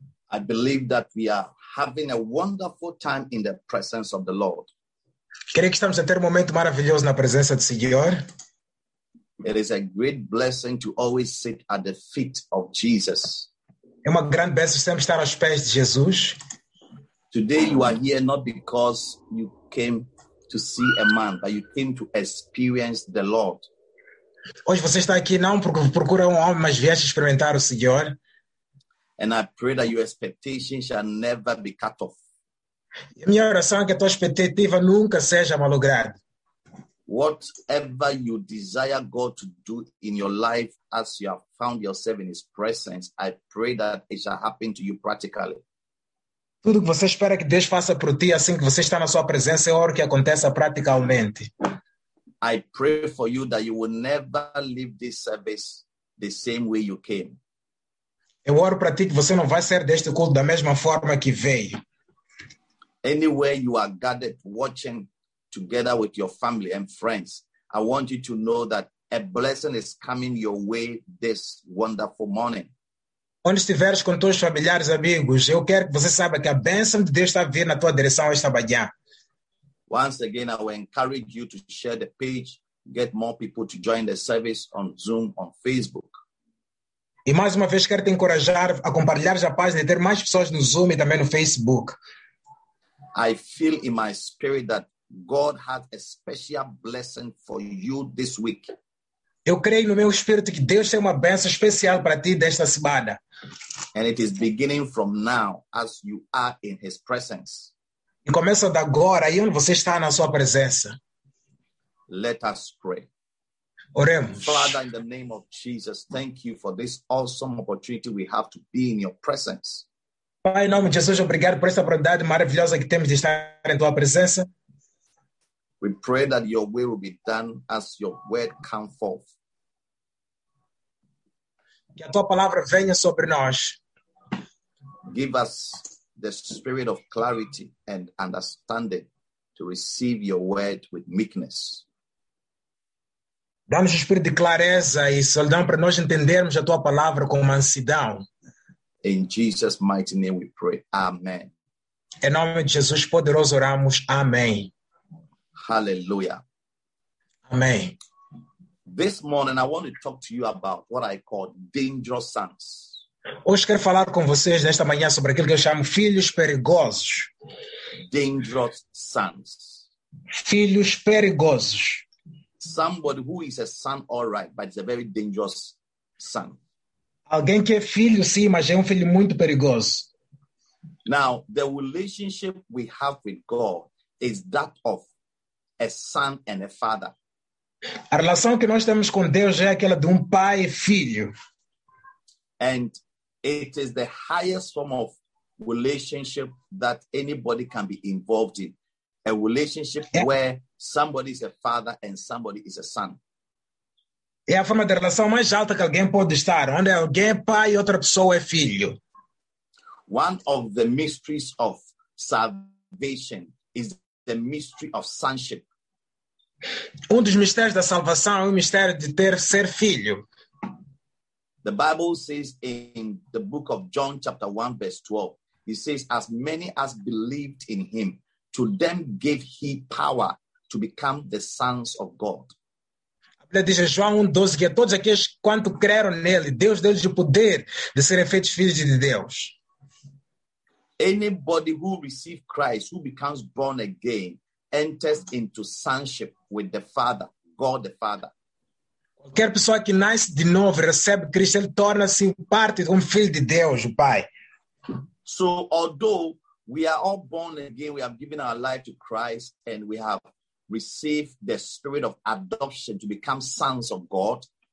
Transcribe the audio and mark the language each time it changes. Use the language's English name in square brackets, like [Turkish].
[English] I believe that we are having a wonderful time in the presence of the Lord. [Portuguese] Creio que estamos a ter momento maravilhoso na presença do Senhor. [English] It is a great blessing to always sit at the feet of Jesus. [Portuguese] É uma grande bênção sempre estar aos pés de Jesus. [English] Today you are here not because you came to see a man, but you came to experience the Lord. [Portuguese] Hoje você está aqui não porque procura homem, mas vieste experimentar o Senhor. [English] And I pray that your expectation shall never be cut off. [Portuguese] Minha oração é que a tua expectativa nunca seja malograda. [English] Whatever you desire God to do in your life as you have found yourself in his presence, I pray that it shall happen to you practically. [Portuguese] Tudo que você espera que Deus faça por ti, assim que você está na sua presença, eu oro que aconteça praticamente. [English] I pray for you that you will never leave this service the same way you came. [Portuguese] Eu oro para ti que você não vai sair deste culto da mesma forma que veio. [English] Anywhere you are gathered watching together with your family and friends, I want you to know that a blessing is coming your way this wonderful morning. [Portuguese] Onde estiveres com todos os familiares, amigos, eu quero que você saiba que a bênção de Deus está a vir na tua direção esta manhã. [English] Once again, I will encourage you to share the page, get more people to join the service on Zoom, on Facebook. [Portuguese] E mais uma vez quero te encorajar a compartilhar a página e ter mais pessoas no Zoom e também no Facebook. [English] I feel in my spirit that God has a special blessing for you this week. [Portuguese] Eu creio no meu espírito que Deus tem uma bênção especial para ti desta semana. [English] And it is beginning from now as you are in his presence. [Portuguese] E começa de agora, aí onde você está na sua presença. [English] Let us pray. [Portuguese] Oremos. [English] Father, in the name of Jesus, thank you for this awesome opportunity we have to be in your presence. [Portuguese] Pai, em nome de Jesus, obrigado por esta oportunidade maravilhosa que temos de estar em tua presença. [English] We pray that your will be done as your word comes forth. [Portuguese] Que a tua palavra venha sobre nós. [English] Give us the spirit of clarity and understanding to receive your word with meekness. [Portuguese] Dá-nos o espírito de clareza e solidão para nós entendermos a tua palavra com mansidão. [English] In Jesus' mighty name we pray. Amen. [Portuguese] Em nome de Jesus poderoso oramos. Amém. [English] Hallelujah. [Portuguese] Amém. [English] This morning I want to talk to you about what I call dangerous sons. [Portuguese] Hoje quero falar com vocês nesta manhã sobre aquilo que eu chamo filhos perigosos. [English] Dangerous sons. [Portuguese] Filhos perigosos. [English] Somebody who is a son, all right, but it's a very dangerous son. [Portuguese] Alguém que é filho, sim, mas é filho muito perigoso. [English] Now, the relationship we have with God is that of a son and a father. [Portuguese] A relação que nós temos com Deus é aquela de pai e filho. [English] And it is the highest form of relationship that anybody can be involved in. A relationship where somebody is a father and somebody is a son. [Portuguese] É a forma de relação mais alta que alguém pode estar, onde alguém é pai e outra pessoa é filho. [English] One of the mysteries of salvation is the mystery of sonship. [Portuguese] Um dos mistérios da salvação é o mistério de ser filho. [English] The Bible says in the book of John chapter 1 verse 12, he says, as many as believed in him, to them gave he power to become the sons of God. [Portuguese] Ele diz em João 1:12 que a todos aqueles quanto creram nele, Deus deu-lhes o poder de serem feitos filhos de Deus. [English] Anybody who receives Christ, who becomes born again, enters into sonship with the Father, God the Father. [Portuguese] Qualquer pessoa que nasce de novo, recebe Cristo, ele torna-se parte de filho de Deus, o Pai. [English] So, although we are all born again, we have given our life to Christ, and we have receive the spirit of adoption to become sons of God.